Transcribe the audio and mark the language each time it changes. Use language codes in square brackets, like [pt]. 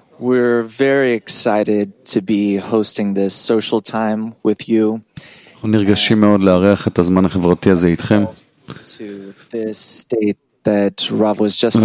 [en] We're very excited to be hosting this social time with you. [he] אנחנו נרגשים מאוד לארח את הזמן החברתי הזה איתכם. [en] To this state that Rav was just